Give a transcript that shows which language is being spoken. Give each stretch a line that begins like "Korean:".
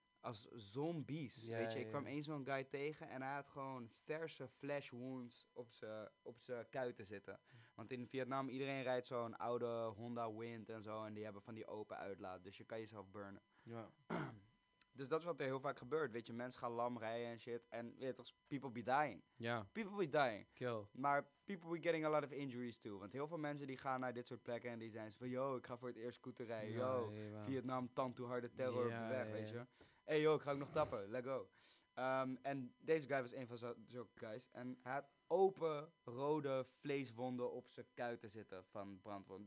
Dutch: Als zombies, weet je. Ik kwam één zo'n guy tegen en hij had gewoon verse
English: flesh wounds
Dutch: op zijn kuiten zitten. Want in Vietnam, iedereen rijdt zo'n oude Honda Wind en zo. En die hebben van die open uitlaat, dus je kan jezelf burnen. Ja. Dus dat is wat er heel vaak gebeurt, weet je. Mensen gaan lam rijden en shit. En weet je,
English: people be dying.
Dutch: Ja.
English: People be dying. Kill.
Dutch: Maar
English: people be getting a lot of injuries too.
Dutch: Want heel veel mensen die gaan naar dit soort plekken en die zijn van... Yo, ik ga voor het eerst scooter rijden. Yo, Vietnam, tanto harde terror op de weg, weet je. Hey joh, ik ga ook nog tappen. Let go. En deze guy was een van zulke guys. En hij had open rode vleeswonden op zijn kuiten zitten van brandwonden.